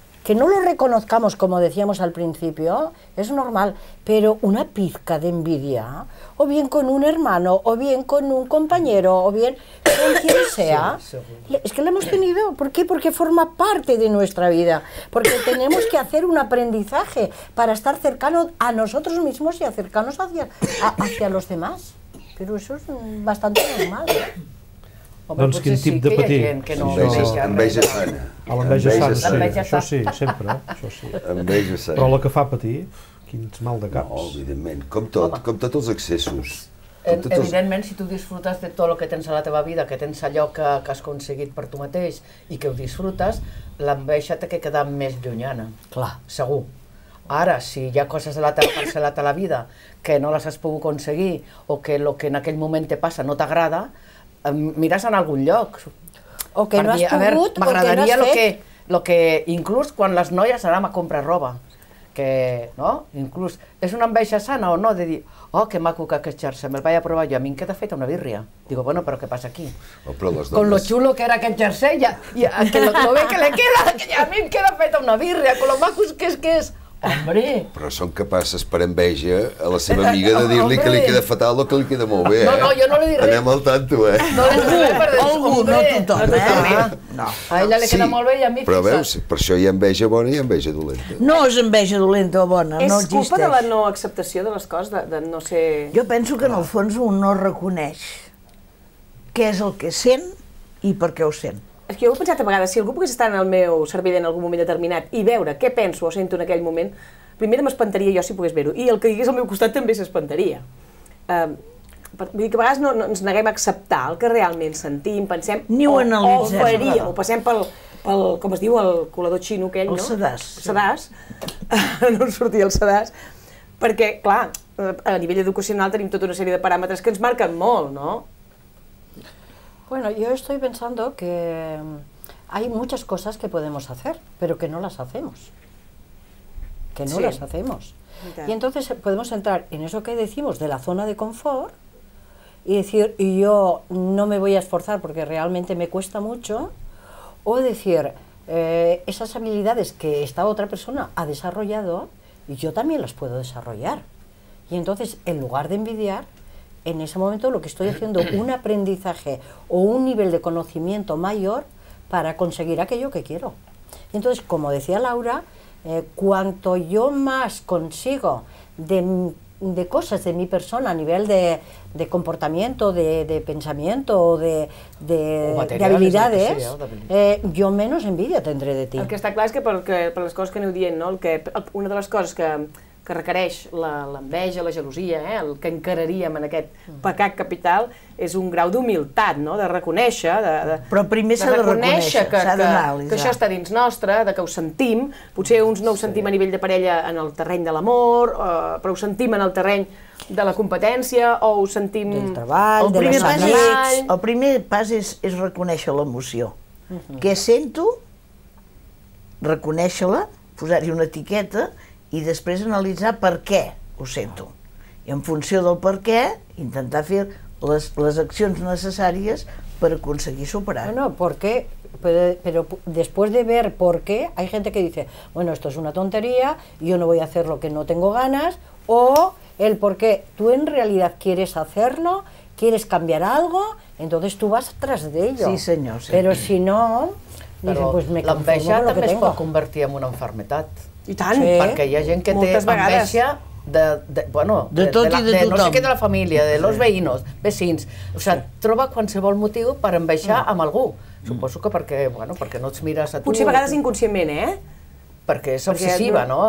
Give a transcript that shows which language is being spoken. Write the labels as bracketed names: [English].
[Spanish] Que no lo reconozcamos, como decíamos al principio, es normal, pero una pizca de envidia, o bien con un hermano, o bien con un compañero, o bien con quien sea, es que la hemos tenido. ¿Por qué? Porque forma parte de nuestra vida, porque tenemos que hacer un aprendizaje para estar cercano a nosotros mismos y acercarnos hacia los demás, pero eso es bastante normal, ¿eh? [Catalan] Home, doncs quin tip sí, de patir? Que no sí, enveja sana. Enveja sana, sí, això sí, sempre. Enveja sana. Però la que fa patir, quins mal de caps. No, evidentment, com tot, home. Com tots els excessos. Evidentment, si tu disfrutes de tot el que tens a la teva vida, que tens allò que has aconseguit per tu mateix i que ho disfrutes, l'enveja t'ha de quedar més llunyana. Clar, segur. Ara, si hi ha coses de la teva parcel·lata a la vida que no les has pogut aconseguir o que el que en aquell moment te passa no t'agrada, miras en algun lloc. O que no has pogut, o que no has fet. M'agradaria el que, inclús quan les noies anem a comprar roba, que, no? Inclús, és una enveja sana o no, de dir, oh, que maco que aquest jersei, me'l vaig a provar jo, a mi em queda feta una birria. Digo, bueno, però què passa aquí? Oh, però les [Spanish] con lo chulo que era [Catalan] aquest jersei, ja, i que lo bé que le queda, que a mi em queda feta una birria, con lo macos que és, hombre. Però són capaces per enveja a la seva amiga de dir-li que li queda fatal o que li queda molt bé, eh? No, jo no li diré. Anem al tanto, eh? No, no, no, no, no, no, no, no, no, no. A ella li queda molt bé i a mi fixa. Però veus, per això hi ha enveja bona i enveja dolenta. No és enveja dolenta o bona, no existeix. És culpa de la no acceptació de les coses, de no ser... Jo penso que en el fons un no reconeix què és el que sent i per què ho sent. És que jo he pensat a vegades, si algú pogués estar en el meu cervell en algun moment determinat i veure què penso o sento en aquell moment, primer m'espantaria jo si pogués veure-ho, i el que digués al meu costat també s'espantaria. Vull dir que a vegades no ens neguem a acceptar el que realment sentim, pensem, ni ho analitzem, o faria, o passem pel, com es diu, el colador xino aquell, el no? El sedàs. Sedàs, sí. No sortia el sedàs, perquè, clar, a nivell educacional tenim tota una sèrie de paràmetres que ens marquen molt, no? [Spanish] Bueno, yo estoy pensando que hay muchas cosas que podemos hacer, pero que no las hacemos. Que no sí. las hacemos. Okay. Y entonces podemos entrar en eso que decimos de la zona de confort y decir, y yo no me voy a esforzar porque realmente me cuesta mucho, o decir, esas habilidades que esta otra persona ha desarrollado, yo también las puedo desarrollar. Y entonces, en lugar de envidiar, en ese momento lo que estoy haciendo un aprendizaje o un nivel de conocimiento mayor para conseguir aquello que quiero. Y entonces, como decía Laura, cuanto yo más consigo de cosas de mi persona a nivel de comportamiento, de pensamiento, de habilidades, yo menos envidia tendré de ti. El que está claro es que por las cosas que [Catalan] aneu dient, [Spanish] ¿no? [Catalan] Una de las cosas que requereix l'enveja, la gelosia, el que encararíem en aquest pecat capital, és un grau d'humilitat, no? De reconèixer... Però primer s'ha de reconèixer, que això està dins nostre, que ho sentim, potser uns no ho sentim a nivell de parella en el terreny de l'amor, però ho sentim en el terreny de la competència, o ho sentim... Del treball, de les amics... El primer pas és reconèixer l'emoció. Què sento? Reconèixer-la, posar-hi una etiqueta, i després analitzar per què ho sento. I en funció del per què, intentar fer les accions necessàries per aconseguir superar. No, per què? Però després de veure per què, hi ha gent que diu, [Spanish] bueno, esto es una tontería, yo no voy a hacer lo que no tengo ganas, o el por qué, tú en realidad quieres hacerlo, quieres cambiar algo, entonces tú vas tras de ello. [Catalan] Sí, senyor, sí. Però si no, pues me l'enveja també que es pot convertir en una enfermedad. I tant, perquè hi ha gent que té enveja de tot i de tothom, no sé què, de la família, de los veïnos, vecins, o sigui, troba qualsevol motiu per enveixar amb algú, suposo que perquè no et mires a tu, potser a vegades inconscientment, perquè és obsessiva, no?